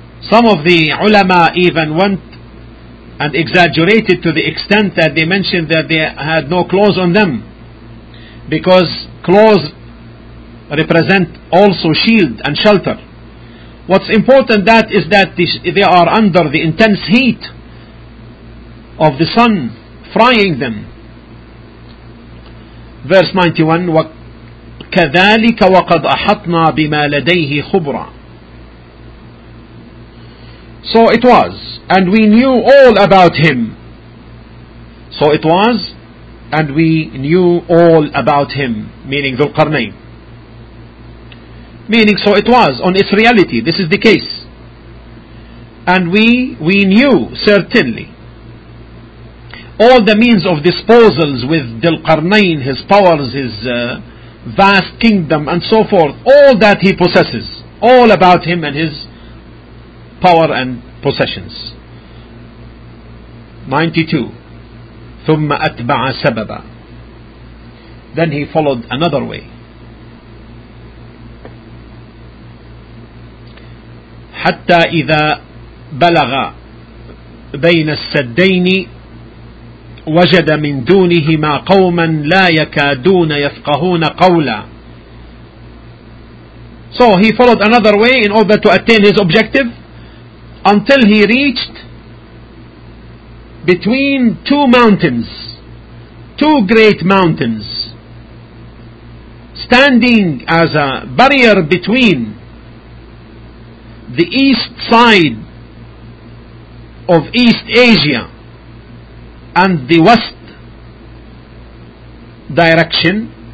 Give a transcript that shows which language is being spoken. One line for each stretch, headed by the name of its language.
English: Some of the ulama even went and exaggerated to the extent that they mentioned that they had no clothes on them, because clothes represent also shield and shelter. What's important that is that they are under the intense heat of the sun frying them. Verse 91,
Arabic: كذلك وقد أحطنا بما لديه خبرا.
English: So it was, and we knew all about him. So it was, and we knew all about him, meaning ذو القرنين. Meaning so it was, on its reality, this is the case. And we knew, certainly, all the means of disposals with ذو القرنين, his powers, his vast kingdom, and so forth, all that he possesses, all about him and his power and possessions.
Arabic: 92. ثم أتبع سببا.
English: Then he followed another way.
Arabic: حتى إذا بلغ بين السدين وجد من دونهما قوما لا يكادون يفقهون قولا.
English: So he followed another way in order to attain his objective, until he reached between two mountains, two great mountains, standing as a barrier between the east side of East Asia and the west direction.